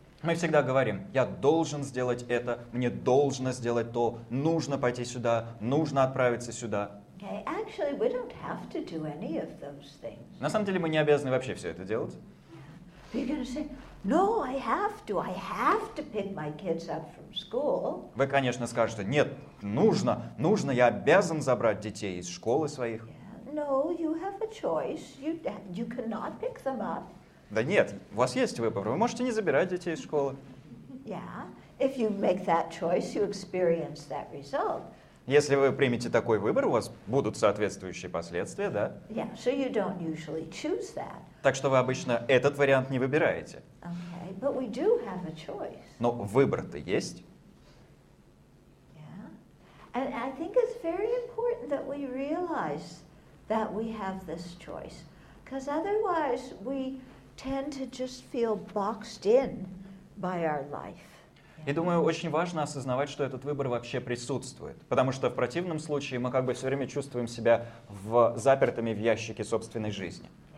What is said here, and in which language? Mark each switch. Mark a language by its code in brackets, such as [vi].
[ru] Мы всегда говорим: я должен сделать это, мне должно сделать то, нужно пойти сюда, нужно отправиться сюда. [en] Okay. Actually, we don't have to do any of those things. [ru] На самом деле мы не обязаны вообще все это делать. [en] You're going to say, "No, I have to. I have to pick my kids up from school." [ru] Вы, конечно, скажете: "Нет, нужно, нужно, я обязан забрать детей из школы своих." [en] Yeah. No, you have a choice. You cannot pick them up. [ru] Да нет, у вас есть выбор. Вы можете не забирать детей из школы. [en] Yeah. If you make that choice, you experience that result. [ru] Если вы примете такой выбор, у вас будут соответствующие последствия, да? [en] Yeah, so you don't usually choose that. [ru] Так что вы обычно этот вариант не выбираете. [en] Okay, but we do have a choice. [ru] Но выбор-то есть. [en] Yeah. And I think it's very important that we realize that we have this choice. Because otherwise we tend to just feel boxed in by our life. [ru] И думаю, очень важно осознавать, что этот выбор вообще присутствует. Потому что в противном случае мы как бы все время чувствуем себя запертыми в ящике собственной жизни.